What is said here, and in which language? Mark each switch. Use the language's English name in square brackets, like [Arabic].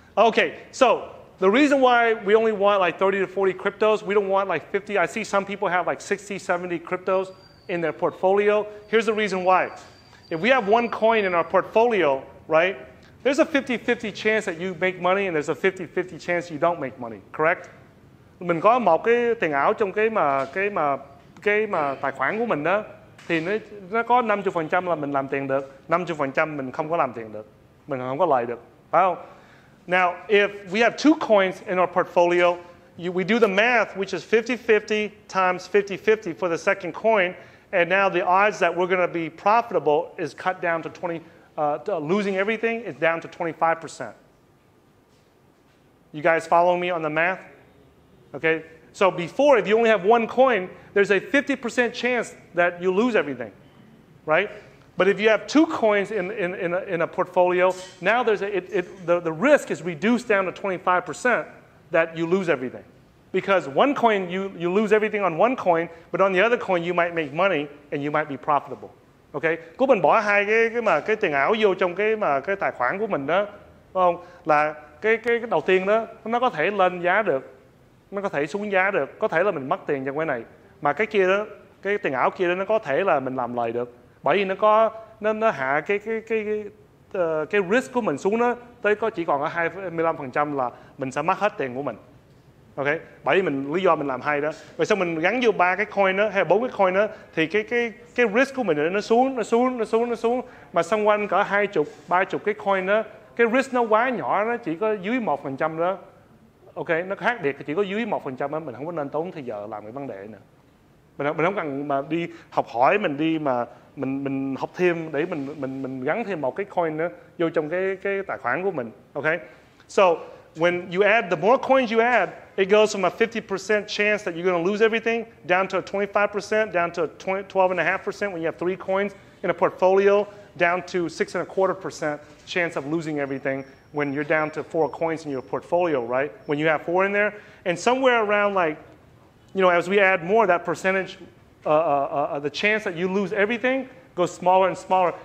[English] Okay, so the reason why we only want like 30 to 40 cryptos, we don't want like 50. I see some people have like 60, 70 cryptos in their portfolio. Here's the reason why. If we have one coin in our portfolio, right, there's a 50-50 chance that you make money and there's a 50-50 chance you don't make money, correct? [Vietnamese] Mình có một cái tiền ảo trong cái mà tài khoản của mình đó, thì nó có 50% là mình làm tiền được, 50% mình không có làm tiền được, mình không có lời được, phải không? [English] Now, if we have two coins in our portfolio, we do the math, which is 50-50 times 50-50 for the second coin, and now the odds that we're going to be profitable is cut down to 20, losing everything is down to 25%. You guys follow me on the math? Okay. So before, if you only have one coin, there's a 50% chance that you lose everything, right? But if you have two coins in a portfolio, now the risk is reduced down to 25% that you lose everything. Because one coin, you lose everything on one coin, but on the other coin, you might make money and you might be profitable. Okay? [Vietnamese] Cứ mình bỏ hai cái tiền ảo vô trong cái tài khoản của mình đó, không? Là cái đầu tiên đó, nó có thể lên giá được, nó có thể xuống giá được, có thể là mình mất tiền trong cái này. Mà cái kia đó, cái tiền ảo kia đó, nó có thể là mình làm lời được. Bởi vì nó hạ cái risk của mình xuống đó, tới có chỉ còn ở 25% là mình sẽ mất hết tiền của mình. Okay, bởi vì lý do mình làm hay đó. Rồi sau mình gắn vô ba cái coin đó hay bốn cái coin đó thì cái risk của mình nó xuống mà xung quanh cỡ 20-30 cái coin đó, cái risk nó quá nhỏ, nó chỉ có dưới 1% đó. Okay, nó khác biệt chỉ có dưới 1% đó, mình không có nên tốn thời giờ làm cái vấn đề này. Mình không cần mà đi học hỏi, mình đi mà mình học thêm để mình gắn thêm một cái coin nữa vô trong cái tài khoản của mình. [English] Okay. So, when you add, the more coins you add, it goes from a 50% chance that you're going to lose everything down to a 25%, down to 12.5% when you have three coins in a portfolio, down to 6.25% chance of losing everything when you're down to four coins in your portfolio, right? When you have four in there, and somewhere around like, you know, as we add more, that percentage, the chance that you lose everything goes smaller and smaller.